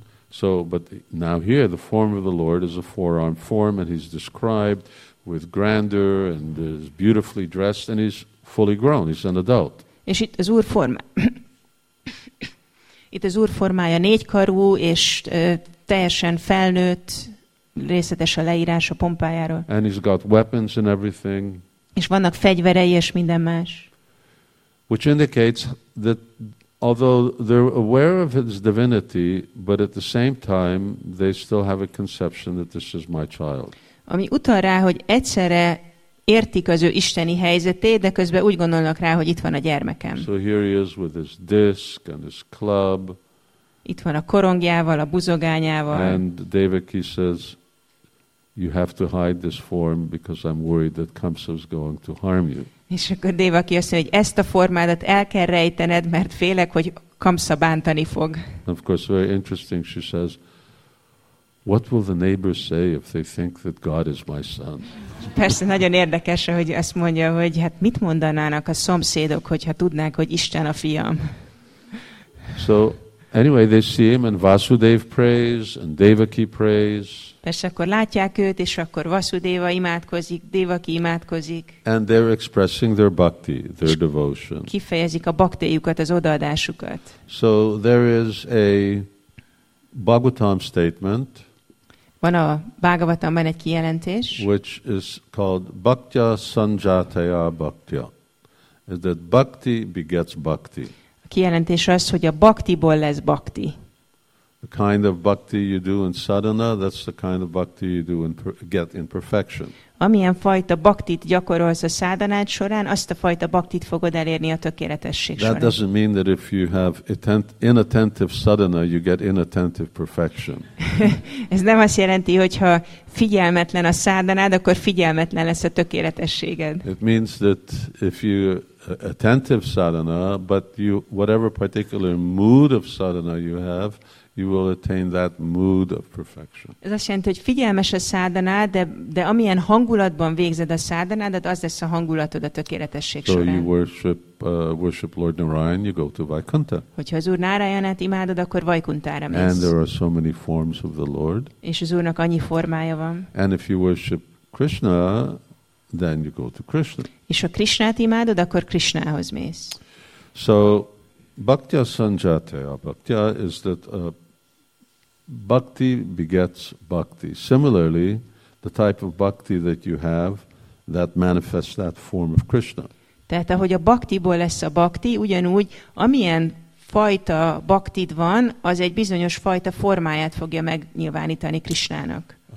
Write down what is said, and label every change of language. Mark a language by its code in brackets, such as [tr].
[en] So, but now here the form of the Lord is a four-armed form, and he's described with grandeur and is beautifully dressed, and he's fully grown. He's an adult. [hu] És itt az Úr forma. Itt az Úr formája négykarú és teljesen felnőtt, részletes a leírás a pompájáról. [en] And he's got weapons and everything. [hu] És vannak fegyverei és minden más. [en] Which indicates that although they're aware of his divinity, but at the same time they still have a conception that this is my child. [hu] Ami utal rá, hogy egyszerre értik az ő isteni helyzetét, de közben úgy gondolnak rá, hogy itt van a gyermekem. [en] So here he is with his disc and his club. [hu] Itt van a korongjával, a buzogányával. [en] And Devaki says, you have to hide this form because I'm worried that Kamsa is going to harm you. [hu] És akkor Devaki azt mondja, hogy ezt a formádat el kell rejtened, mert félek, hogy Kamsa bántani fog. [en] Of course, very interesting, she says, what will the neighbors say if they think that God is my son? [hu] Persze, nagyon érdekes, hogy azt mondja, hogy hát mit mondanának a szomszédok, hogyha tudnák, hogy Isten a fiam? [en] So, Anyway, they see him and Vasudev prays and Devaki prays. [hu] Persze akkor látják őt, és akkor Vasudeva imádkozik, Devaki imádkozik. [en] And they're expressing their bhakti, their devotion. [hu] Kifejezik a baktéjukat, az odaadásukat. [en] So there is a Bhagavatam statement. [hu] Van a Bhagavatamban egy kijelentés. [en] Which is called [sa] bhaktya sanjataya bhaktya. [en] Is that bhakti begets bhakti. [hu] A kijelentés az, hogy a bhaktiból lesz bhakti. [en] The kind of bhakti you do in sadhana, that's the kind of bhakti you do and get in perfection. [hu] Amilyen fajta bhaktit gyakorolsz a sadhanád során, azt a fajta bhaktit fogod elérni a tökéletesség során. [en] That doesn't mean that if you have inattentive sadhana, you get inattentive perfection. [hu] Ez nem azt jelenti, hogyha figyelmetlen a sadhanád, akkor figyelmetlen lesz a tökéletességed. [en] It means that if you attentive sadhana, but you whatever particular mood of sadhana you have, you will attain that mood of perfection. [hu] Ez azt jelenti, hogy figyelmes a szádanád, de amilyen hangulatban végzed a szádanádat, az lesz a hangulatod a tökéletesség során. [en] So you worship Lord Narayan, you go to Vaikuntha. [hu] Hogyha az Úr Narayanát imádod, akkor Vaikunthára mész. [en] And there are so many forms of the Lord. [hu] És az Úrnak annyi formája van. [en] And if you worship Krishna, then you go to Krishna. [hu] És ha Krishnát imádod, akkor Krishnához mész. [en] So [sa] bhaktya sanjataya bhaktya [en] is that bhakti begets bhakti. Similarly, the type of bhakti that you have, that manifests that form of Krishna. [hu] Tehát ahogy a bhaktiból lesz a bhakti, ugyanúgy amilyen fajta bhaktid van, az egy bizonyos fajta formáját fogja megnyilvánítani Krishnának.